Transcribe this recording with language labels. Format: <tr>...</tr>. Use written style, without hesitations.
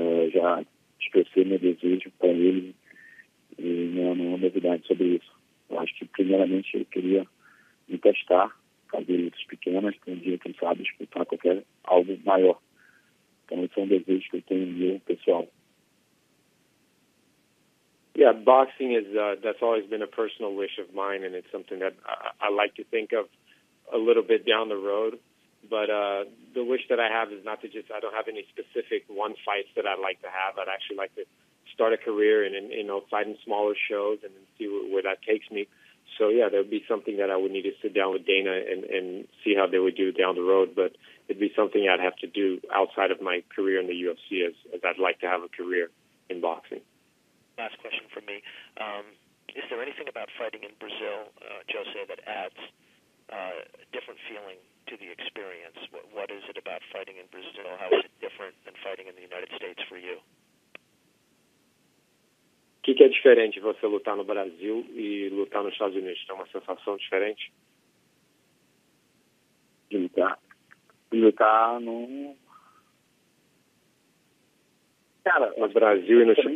<pt>Já expressei meu desejo com ele e não há novidade sobre isso. Eu acho que, primeiramente, eu queria me testar, fazer lutas pequenas, para um dia, quem sabe, disputar qualquer algo maior. Então, esse é um desejo que eu tenho meu pessoal.</pt> <en>Yeah, boxing is that's always been a personal wish of mine, and it's something that I like to think of a little bit down the road. But the wish that I have is not to just – I don't have any specific one fights that I'd like to have. I'd actually like to start a career and you know, fight in smaller shows and see where that takes me. So, yeah, that would be something that I would need to sit down with Dana and see how they would do down the road. But it would be something I'd have to do outside of my career in the UFC as I'd like to have a career in boxing. Last question for me. Is there anything about fighting in Brazil, Jose, that adds a different feeling to the experience? What is it about fighting in Brazil? How is it different than fighting in the United States for you?</en> <pt>O que é diferente você lutar no Brasil e lutar nos Estados Unidos? Tem uma sensação diferente? Lutar no... Cara, no Brasil e no</pt>